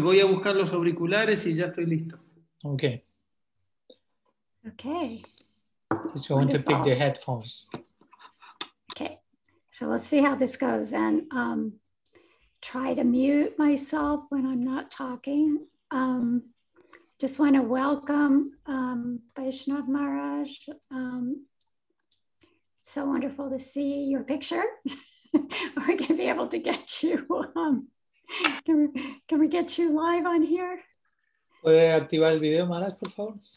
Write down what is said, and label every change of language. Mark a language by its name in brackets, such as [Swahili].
[Spanish] Voy a buscar los auriculares y ya estoy listo. [English] Okay. Okay. He's going to pick the headphones. Okay, so let's see how this goes and try to mute myself when I'm not talking. Just want to welcome Vaishnav Maharaj. So wonderful to see your picture. Are we going to be able to get you? Can we get you live on here? [Spanish] ¿Puede activar el video, Maharaj, por favor?